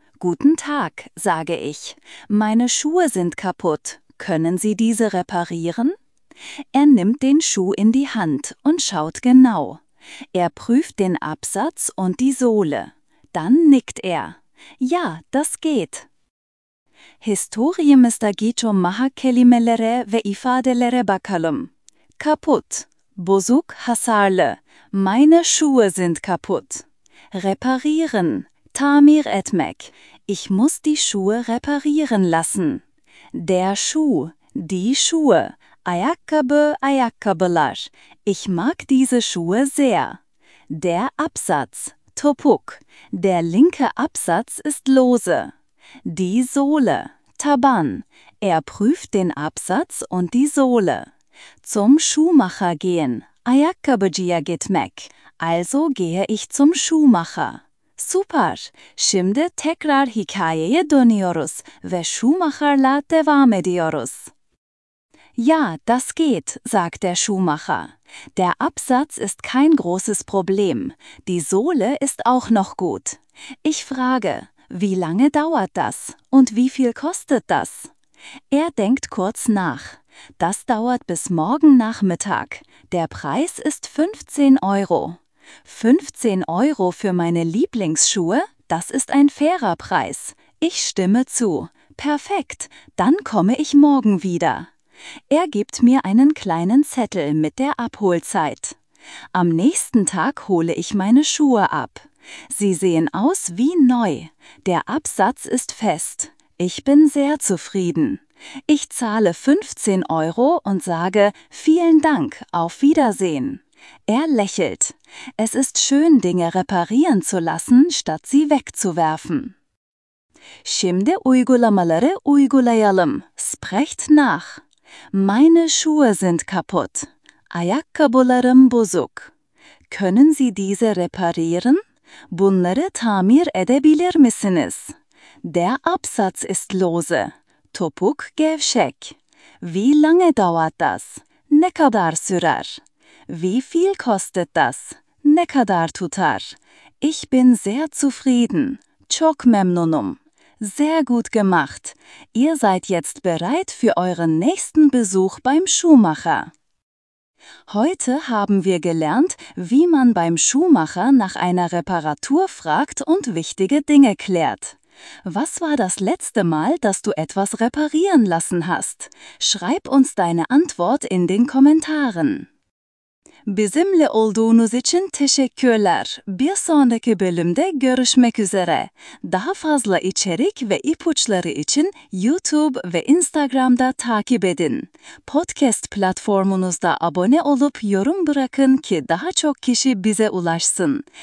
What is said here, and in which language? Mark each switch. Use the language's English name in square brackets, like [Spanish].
[German] Guten Tag, sage ich. Meine Schuhe sind kaputt. Können Sie diese reparieren? Er nimmt den Schuh in die Hand und schaut genau. Er prüft den Absatz und die Sohle. Dann nickt er. Ja, das geht. Historie mesta gicho maha kelimelere ve ifadelere bakalım. Kaputt. [Turkish] Bozuk hasarlı. [German] Meine Schuhe sind kaputt. Reparieren. [Turkish] Tamir etmek. [German] Ich muss die Schuhe reparieren lassen. Der Schuh. Die Schuhe. [Turkish] Ayakkabı, ayakkabılar. [German] Ich mag diese Schuhe sehr. Der Absatz. [Turkish] Topuk. [German] Der linke Absatz ist lose. Die Sohle. [Turkish] Taban. [German] Er prüft den Absatz und die Sohle. Zum Schuhmacher gehen. [Turkish] Ayakkabıcıya gitmek. [German] Also gehe ich zum Schuhmacher. Super. [Turkish] Şimdi tekrar hikayeye dönüyoruz ve Schuhmacherla devam ediyoruz. [German] Ja, das geht, sagt der Schuhmacher. Der Absatz ist kein großes Problem. Die Sohle ist auch noch gut. Ich frage, wie lange dauert das und wie viel kostet das? Er denkt kurz nach. Das dauert bis morgen Nachmittag. Der Preis ist 15 Euro. 15 Euro für meine Lieblingsschuhe? Das ist ein fairer Preis. Ich stimme zu. Perfekt, dann komme ich morgen wieder. Er gibt mir einen kleinen Zettel mit der Abholzeit. Am nächsten Tag hole ich meine Schuhe ab. Sie sehen aus wie neu. Der Absatz ist fest. Ich bin sehr zufrieden. Ich zahle 15 Euro und sage vielen Dank, auf Wiedersehen. Er lächelt. Es ist schön, Dinge reparieren zu lassen, statt sie wegzuwerfen. [Turkish] Şimdi uygulamaları uygulayalım. [German] Sprecht nach. Meine Schuhe sind kaputt. [Turkish] Ayakkabılarım bozuk. [German] Können Sie diese reparieren? [Turkish] Bunları tamir edebilir misiniz? [German] Der Absatz ist lose. [Turkish] Topuk gevşek. [German] Wie lange dauert das? [Turkish] Ne kadar sürer? [German] Wie viel kostet das? [Turkish] Ne kadar tutar? [German] Ich bin sehr zufrieden. [Turkish] Çok memnunum. [German] Sehr gut gemacht. Ihr seid jetzt bereit für euren nächsten Besuch beim Schuhmacher. Heute haben wir gelernt, wie man beim Schuhmacher nach einer Reparatur fragt und wichtige Dinge klärt. Was war das letzte Mal, dass du etwas reparieren lassen hast? Schreib uns deine Antwort in den Kommentaren. [Turkish] Bizimle olduğunuz için teşekkürler. Bir sonraki bölümde görüşmek üzere. Daha fazla içerik ve ipuçları için YouTube ve Instagram'da takip edin. Podcast platformunuzda abone olup yorum bırakın ki daha çok kişi bize ulaşsın.